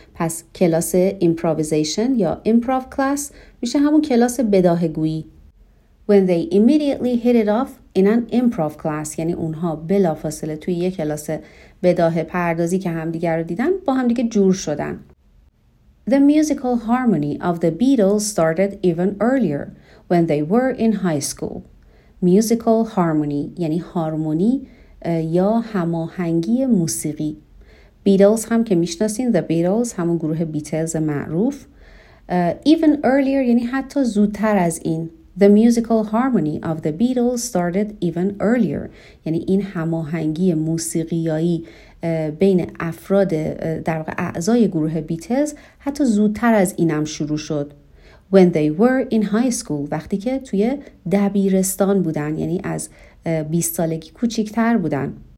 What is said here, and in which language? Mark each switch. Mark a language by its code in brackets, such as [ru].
[fa] پس کلاس improvisation یا [en] improv class [fa] میشه همون کلاس بداهه‌گویی. [en] When they immediately hit it off in an improv class، [fa] یعنی اونها بلافاصله توی یک کلاس بداهه‌پردازی که همدیگر رو دیدن با همدیگه جور شدن. [en] The musical harmony of the Beatles started even earlier when they were in high school. Musical harmony [fa] یعنی هارمونی یا هماهنگی موسیقی. Beatles هم که میشناسین، The Beatles، همون گروه بیتلز معروف. [en] Even earlier [fa] یعنی حتی زودتر از این. [en] The musical harmony of the Beatles started even earlier. [fa] یعنی این هماهنگی موسیقیایی بین افراد در واقع اعضای گروه بیتلز حتی زودتر از اینم شروع شد. [en] When they were in high school، [fa] وقتی که توی دبیرستان بودن، یعنی از 20 سالگی کوچیک‌تر بودن.